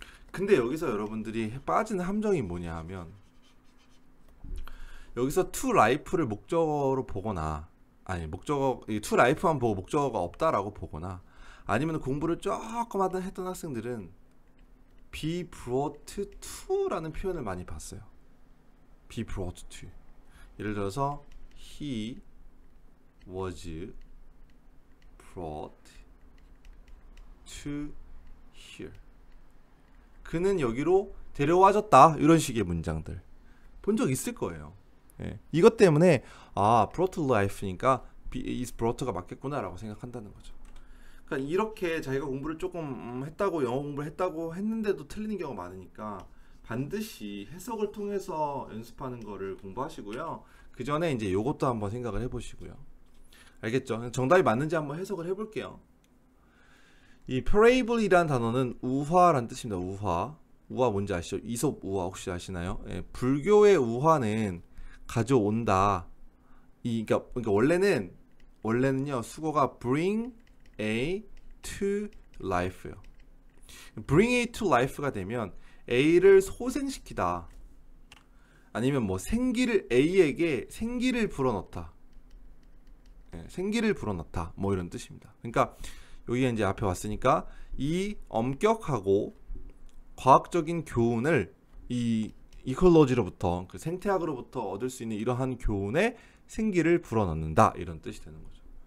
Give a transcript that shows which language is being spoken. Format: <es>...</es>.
<ko>근데 여기서 여러분들이 빠지는 함정이 뭐냐 하면 여기서 to life를 목적어로 보거나 아니 목적어 to life만 보고 목적어가 없다라고 보거나 아니면 공부를 조금 하던 학생들은 be brought to라는 표현을 많이 봤어요.</ko> <en>be brought to. 예를 들어서 he was brought to here.</en> <ko>그는 여기로 데려와졌다. 이런 식의 문장들 본적 있을 거예요. 예. 이것 때문에 아, brought to life니까 is brought가 맞겠구나라고 생각한다는 거죠. 그러니까 이렇게 자기가 공부를 조금 했다고 영어 공부를 했다고 했는데도 틀리는 경우가 많으니까 반드시 해석을 통해서 연습하는 거를 공부하시고요. 그 전에 이제 이것도 한번 생각을 해보시고요. 알겠죠? 정답이 맞는지 한번 해석을 해볼게요. 이 parable이라는 단어는 우화란 뜻입니다. 우화. 우화 뭔지 아시죠? 이솝 우화 혹시 아시나요? 예, 불교의 우화는 가져온다. 그러니까 원래는요, 수거가</ko> <en>bring a to life</en> <ko>요.</ko> <en>bring a to life</en> <ko>가 되면 a를 소생시키다. 아니면 뭐 생기를 a에게 생기를 불어넣다. 예, 생기를 불어넣다. 뭐 이런 뜻입니다. 그러니까 여기 이제 앞에 왔으니까 이 엄격하고 과학적인 교훈을 이 이콜로지로부터 그 생태학으로부터 얻을 수 있는 이러한 교훈에 생기를 불어넣는다 이런 뜻이 되는 거죠.</ko>